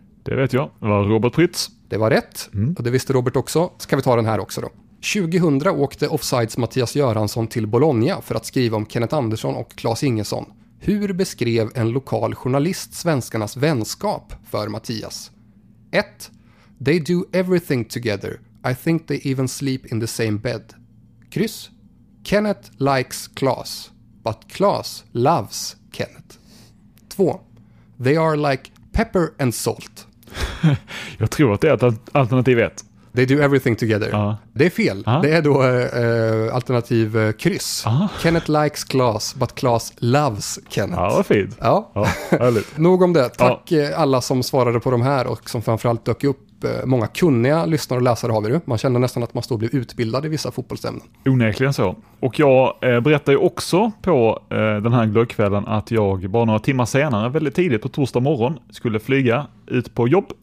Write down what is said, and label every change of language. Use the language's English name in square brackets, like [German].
[Swedish] Det vet jag. Det var Robert Prytz. Det var rätt. Mm. Och det visste Robert också. Ska vi ta den här också då? 2000 åkte Offsides Mattias Göransson till Bologna för att skriva om Kenneth Andersson och Claes Ingesson. Hur beskrev en lokal journalist svenskarnas vänskap för Mattias? 1. [English] They do everything together. I think they even sleep in the same bed. Kryss. Kenneth likes Klaas, but Klaas loves Kenneth. 2. They are like pepper and salt. [Swedish] Jag tror att det är alternativ 1. [English] They do everything together. [Swedish] Det är fel. Det är då alternativ kryss. [English] Kenneth likes Klas, but Klas loves Kenneth. [Swedish] Ja, vad fint. Ja. Härligt. Nog om det. Tack alla som svarade på de här och som framförallt dök upp. Många kunniga lyssnare och läsare har vi ju. Man känner nästan att man står och blir utbildad i vissa fotbollsämnen. Onekligen så. Och jag berättade ju också på den här glöggkvällen att jag bara några timmar senare, väldigt tidigt på torsdag morgon, skulle flyga ut på jobb.